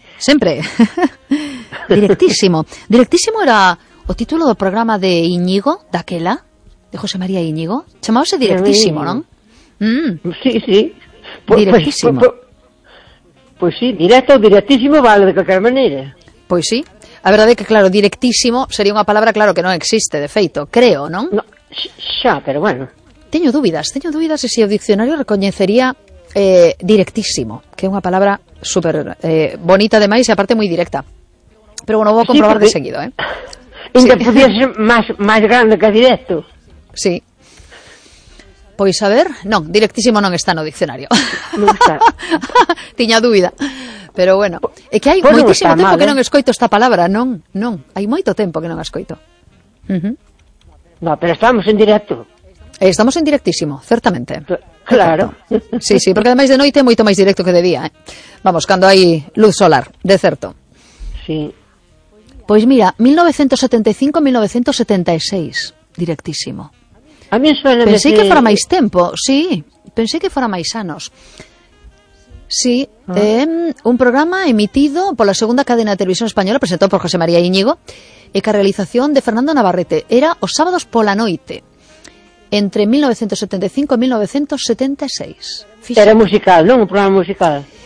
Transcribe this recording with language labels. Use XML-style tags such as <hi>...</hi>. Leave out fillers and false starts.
<gl>Siempre. Directísimo. Directísimo era o título do programa de Íñigo, daquela, de José María Íñigo. Chamábase Directísimo, ¿no? Sí. Directísimo.</gl> <es>Pues sí, directo o directísimo vale de cualquier manera. Pues sí.</es> <gl>A verdade é que, claro, directísimo sería unha palabra, claro, que non existe, de feito, creo, non? No, xa, pero bueno. Teño dúbidas se o diccionario recoñecería directísimo, que é unha palabra super bonita, ademais, e aparte moi directa. Pero bueno, vou a comprobar de seguido, ¿eh? Inca podía ser máis grande que directo. Sí. Pois a ver, non, directísimo non está no diccionario. Non está. Tiña dúbida. Pero bueno, é que hai pues moitísimo tempo mal, que non escoito esta palabra, non. Hai moito tempo que non escoito. No, pero estamos en directo. Estamos en directísimo, certamente. Claro. Perfecto. Sí, porque ademais de noite é moito máis directo que de día, ¿eh? Vamos, cando hai luz solar, de certo. Sí. Pois mira, 1975-1976, directísimo.</gl> <es>A mí suena</es> <gl>pensei que fora máis tempo, sí, pensei que fora máis anos. Sí, un programa emitido pola segunda cadena de televisión española presentado por José María Íñigo e ca realización de Fernando Navarrete. Era os sábados pola noite, entre 1975 e 1976. Era musical, non? Un programa musical.</gl>